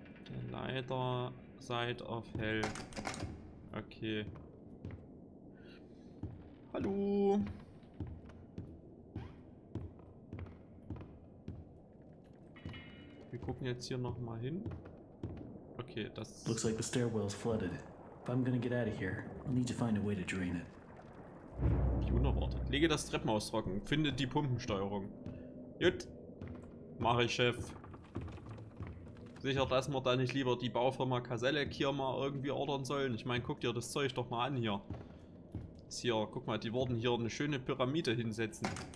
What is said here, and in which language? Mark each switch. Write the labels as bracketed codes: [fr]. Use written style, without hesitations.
[de] Der Leiter, Side of Hell. Okay. Hallo. Wir gucken jetzt hier noch mal hin. Okay, das. [en] Looks like the stairwell's flooded. If I'm gonna get out of here, I'll need to find a way to drain it. [de] Wie unerwartet. Lege das Treppenhaus trocken. Finde die Pumpensteuerung. Jut. Mach ich, Chef. Sicher, dass wir da nicht lieber die Baufirma Kaselek hier mal irgendwie ordern sollen. Ich meine, guck dir das Zeug doch mal an hier. Ist hier, guck mal, die wollten hier eine schöne Pyramide hinsetzen.